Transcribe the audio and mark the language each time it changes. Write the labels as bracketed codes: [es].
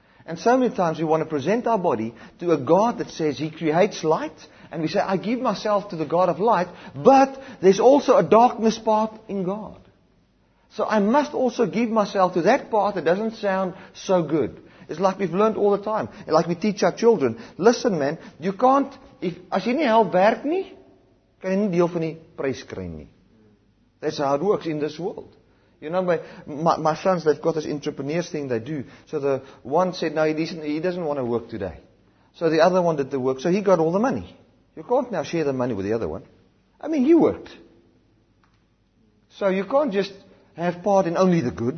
[en] And so many times we want to present our body to a God that says He creates light. And we say, I give myself to the God of light. But there's also a darkness part in God. So I must also give myself to that part that doesn't sound so good. It's like we've learned all the time. Like we teach our children. Listen, man, you can't, if [af] as jy nie help werk nie, kan jy nie deel van die prys kry nie. [en] That's how it works in this world. You know, my sons, they've got this entrepreneurs thing they do. So the one said, no, he doesn't want to work today. So the other one did the work. So he got all the money. You can't now share the money with the other one. I mean, he worked. So you can't just have part in only the good.